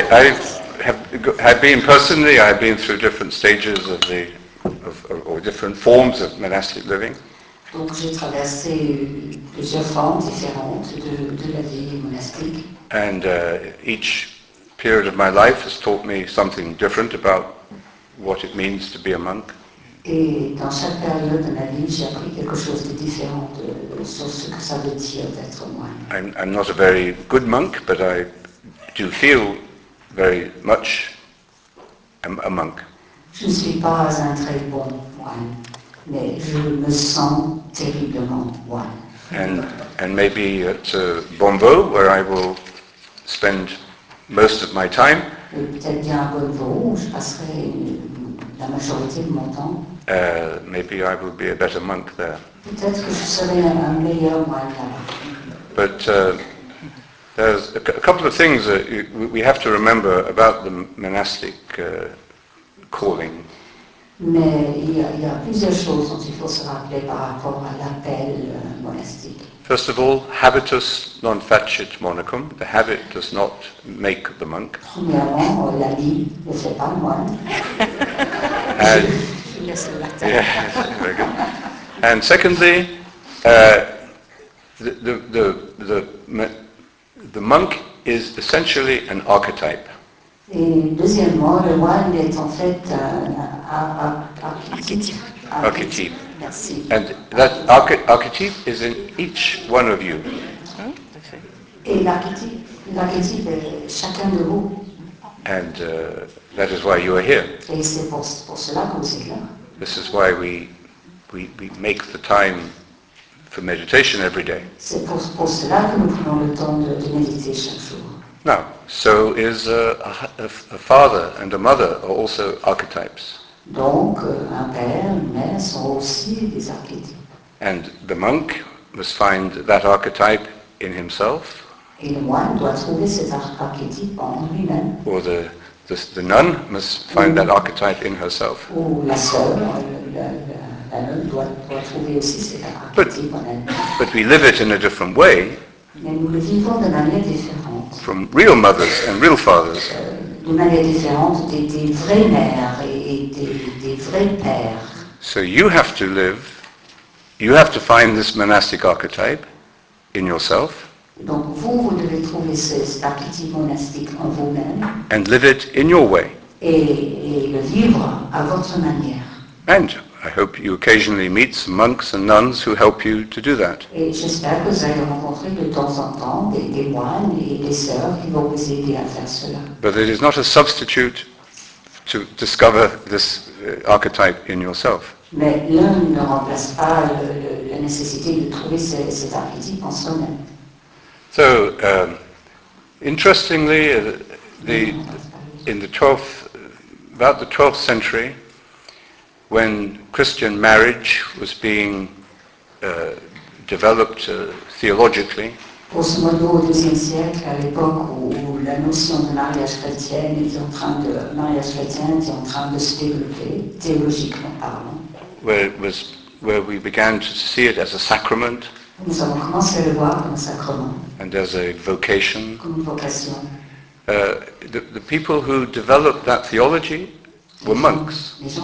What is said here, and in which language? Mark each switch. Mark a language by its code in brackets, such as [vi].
[en] I've been through different stages of the, or different forms of monastic living. [fr] Donc j'ai traversé plusieurs formes différentes de la vie monastique. [en] And each period of my life has taught me something different about what it means to be a monk. [fr] Et dans chaque période de ma vie, j'ai appris quelque chose de différent sur ce que ça veut dire d'être moine. [en] I'm not a very good monk, but I do feel very much a monk. [fr] Je ne suis pas un très bon moine, mais je me sens terriblement moine. [en] And maybe at Bonvaux, where I will spend most of my time. [fr] Et peut-être bien à Bonvaux, où je passerai la majorité de mon temps. [en] Maybe I will be a better monk there. [fr] Peut-être que je serai un meilleur moine là-bas. [en] But there's a couple of things that we have to remember about the monastic calling. [fr] Mais il y a plusieurs choses dont il faut se rappeler par rapport à l'appel monastique. [en] First of all, [la] habitus non facit monacum. [en] The habit does not make the monk. [fr] Premièrement, l'habit ne fait pas le moine. [en] And, yes, very good. And secondly, the The monk is essentially an archetype. [fr] Et deuxièmement, le moine est en fait un archétype. Archétype. Merci. [en] And that archétype is in each one of you. [fr] Et l'archétype est chacun de vous. [en] And that is why you are here. [fr] Et c'est pour cela que vous êtes là. [en] This is why we make the time for meditation every day. [fr] C'est pour cela que nous prenons le temps de méditer chaque jour. [en] Now, so is a father and a mother are also archetypes. [fr] Donc, un père, une mère sont aussi des archétypes. [en] And the monk must find that archetype in himself. [fr] Et le moine doit trouver cet archétype en lui-même. [en] Or the nun must find that archetype in herself. [fr] Ou la sœur, la nonne doit trouver aussi cet archétype en elle. [en] But we live it in a different way. [fr] Mais nous le vivons de manière différente. [en] From real mothers and real fathers. [fr] De manière différente des vraies mères et des vrais pères. [en] So you have to live, you have to find this monastic archetype in yourself. [fr] Donc vous devez trouver cet archétype monastique en vous-même. [en] And live it in your way. [fr] Et le vivre à votre manière. [en] And I hope you occasionally meet some monks and nuns who help you to do that. [fr] Et j'espère que vous allez rencontrer de temps en temps des moines et des sœurs qui vont vous aider à faire cela. [en] But it is not a substitute to discover this archetype in yourself. [fr] Mais l'un ne remplace pas la nécessité de trouver cet archétype en soi-même. [en] So, interestingly, about the 12th century, when Christian marriage was being developed theologically, where we began to see it as a sacrament, [fr] nous avons commencé à le voir comme un sacrement, [en] and as a vocation, [fr] comme une vocation. [en] The people who developed that theology were monks.